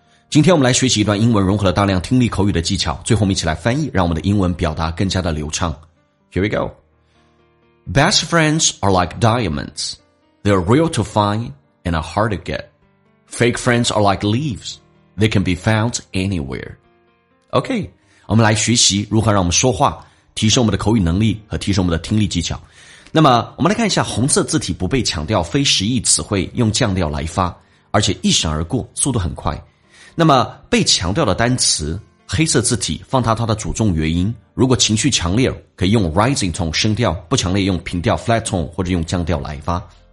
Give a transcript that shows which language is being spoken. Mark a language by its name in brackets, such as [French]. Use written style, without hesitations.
[Chinese] 今天我们来学习一段英文融合了大量听力口语的技巧，最后我们一起来翻译，让我们的英文表达更加的流畅。 [English] Here we go. Best friends are like diamonds. They're real to find and are hard to get. Fake friends are like leaves. They can be found anywhere. [Chinese] OK, 我们来学习如何让我们说话提升我们的口语能力和提升我们的听力技巧。那么我们来看一下，红色字体不被强调，非实意词汇用降调来发，而且一闪而过，速度很快。那么被强调的单词黑色字体放大它的主重元音，如果情绪强烈可以用 rising tone 升调，不强烈用平调 flat tone 或者用降调来发。